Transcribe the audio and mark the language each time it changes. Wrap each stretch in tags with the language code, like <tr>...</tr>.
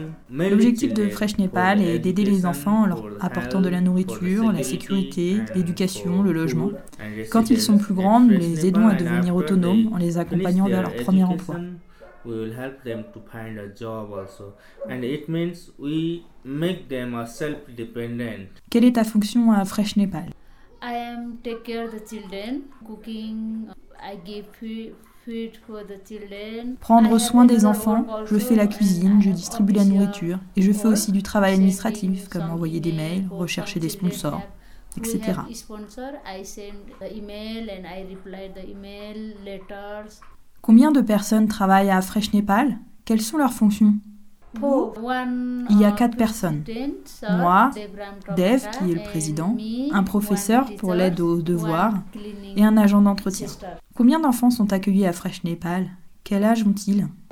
<fr>L'objectif de Fresh Népal est d'aider les enfants en leur apportant de la nourriture, la sécurité, l'éducation, le logement. Quand ils sont plus grands, nous les aidons à devenir autonomes en les accompagnant vers leur premier emploi.</fr> <en>We will help them to find a job also. And it means we make them a self-dependent.</en> <fr>Quelle est ta fonction à Fresh Népal?</fr> <en>I am take care of the children, cooking, I give food for the children.</en> <fr>Prendre soin des enfants, je fais la cuisine, je distribue la nourriture et je fais aussi du travail administratif comme envoyer des mails, rechercher des sponsors. Etc.</fr> <en>Sponsor, I send email and I reply the email letters.</en> <fr>Combien de personnes travaillent à Fresh Népal? Quelles sont leurs fonctions? Il y a 4 personnes. Moi, Dev, qui est le président, un professeur pour l'aide aux devoirs et un agent d'entretien. Combien d'enfants sont accueillis à Fresh Népal? Quel âge ont-ils?</fr>